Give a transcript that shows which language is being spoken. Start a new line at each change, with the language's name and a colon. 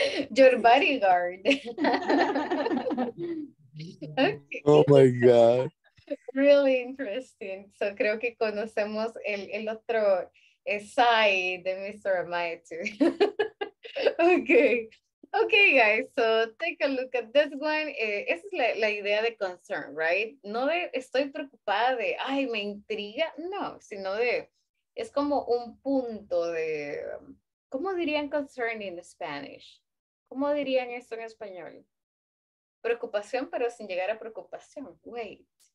English: Your bodyguard. Okay. Oh my God. Really interesting.
Spanish: So creo que conocemos el otro side de Mr.
English: Amaya too. Okay, guys, so take a look at this one.
Spanish: Esa es la idea de concern, right? No de estoy preocupada de, ay, me intriga. No, sino de, es como un punto de, ¿cómo dirían concern in Spanish? ¿Cómo dirían esto en español? Preocupación, pero sin llegar a preocupación. Wait.